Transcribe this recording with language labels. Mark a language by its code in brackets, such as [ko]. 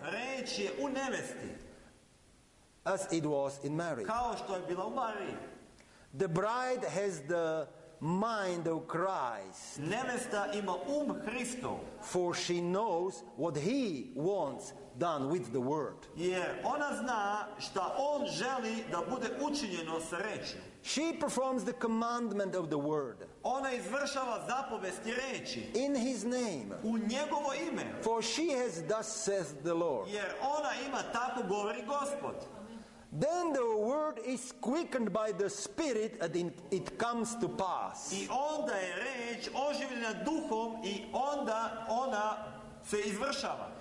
[sr] Reč je u nevesti. [en] As it was in marriage. [sr] Kao što je bilo u Mariji. [en] The bride has the mind of Christ. [sr] Nevesta ima Hristo. [en] For she knows what he wants done with the word. [sr] Jer ona zna šta on želi da bude učinjeno s rečju. [en] She performs the commandment of the word. [sr] Ona izvršava zapovesti reči. [en] In his name. [sr] U njegovo ime. [en] For she has thus says the Lord. [sr] Jer ona ima tako govori Gospod. [en] Then the word is quickened by the Spirit and it comes to pass. [sr] I onda je reč oživljena duhom i onda ona se izvršava.